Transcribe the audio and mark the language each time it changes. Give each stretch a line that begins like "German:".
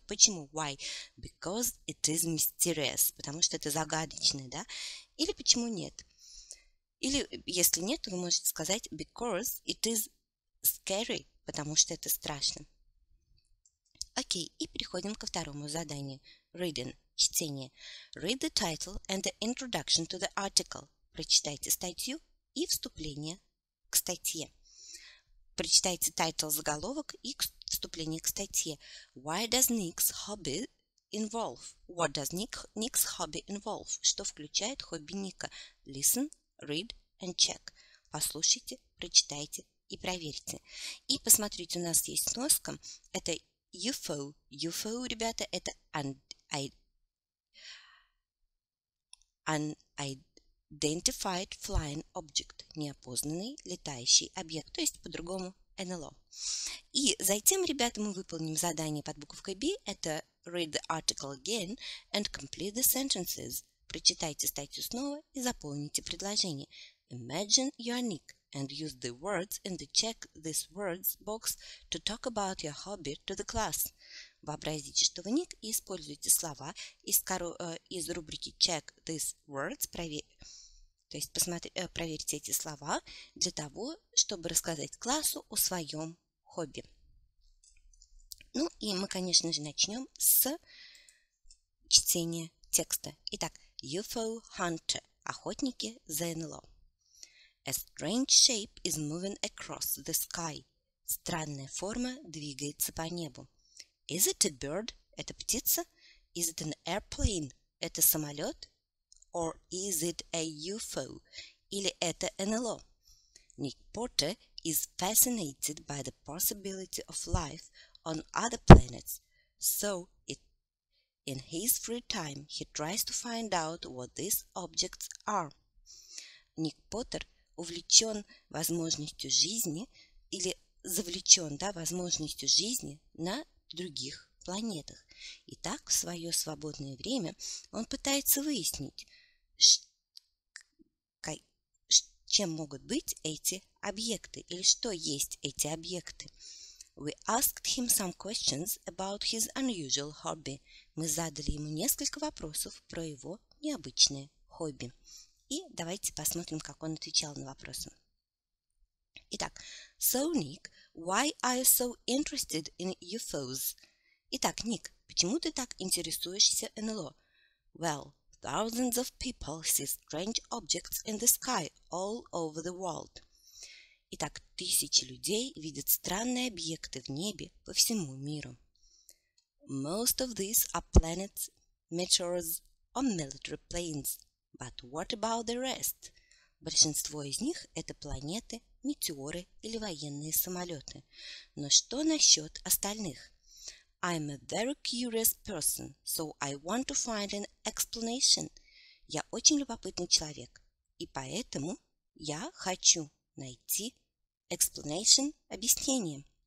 Russian: Почему?
English: Why? Because it is mysterious.
Russian: Потому что это загадочно, да? Или почему нет? Или, если нет, вы можете сказать
English: because it is scary,
Russian: потому что это страшно. Окей, и переходим ко второму заданию.
English: Reading.
Russian: Чтение.
English: Read the title and the introduction to the article.
Russian: Прочитайте статью и вступление к статье. Прочитайте title, заголовок и вступление к статье.
English: Why does Nick's hobby involve? What does Nick's hobby involve?
Russian: Что включает хобби Ника?
English: Listen, read and check.
Russian: Послушайте, прочитайте и проверьте. И посмотрите, у нас есть сноска. Это UFO. UFO, ребята, это
English: Unidentified Flying Object.
Russian: Неопознанный летающий объект. То есть, по-другому, НЛО. И затем, ребята, мы выполним задание под буковкой B.
English: Это Read the article again and complete the sentences.
Russian: Прочитайте статью снова и заполните предложение.
English: Imagine your nick. And use the words in the check this words box to talk about your hobby to the class.
Russian: Вообразите, что вы ник, и используйте слова из рубрики
English: check this words,
Russian: проверьте эти слова для того, чтобы рассказать классу о своем хобби. Ну и мы, конечно же, начнем с чтения текста. Итак, UFO Hunter, охотники за НЛО.
English: A strange shape is moving across the sky.
Russian: Странная форма двигается по небу.
English: Is it a bird?
Russian: Это птица?
English: Is it an airplane?
Russian: Это самолет?
English: Or is it a UFO?
Russian: Или это НЛО?
English: Nick Porter is fascinated by the possibility of life on other planets. So, in his free time, he tries to find out what these objects are.
Russian: Nick Porter увлечен возможностью жизни или завлечен, да, возможностью жизни на других планетах. И так в свое свободное время он пытается выяснить, чем могут быть эти объекты или что есть эти объекты.
English: We asked him some questions about his unusual hobby.
Russian: Мы задали ему несколько вопросов про его необычное хобби. И давайте посмотрим, как он отвечал на вопросы.
English: Итак, so, Nick, why are you so interested in UFOs?
Russian: Итак, Ник, Почему ты так интересуешься НЛО?
English: Well, thousands of people see strange objects in the sky all over the world.
Russian: Итак, тысячи людей видят странные объекты в небе по всему миру.
English: Most of these are planets, meteors, or military planes. But what about the rest?
Russian: Большинство из них – это планеты, метеоры или военные самолеты. Но что насчет остальных?
English: I'm a very curious person, so I want to find an explanation.
Russian: Я очень любопытный человек, и поэтому я хочу найти explanation – объяснение.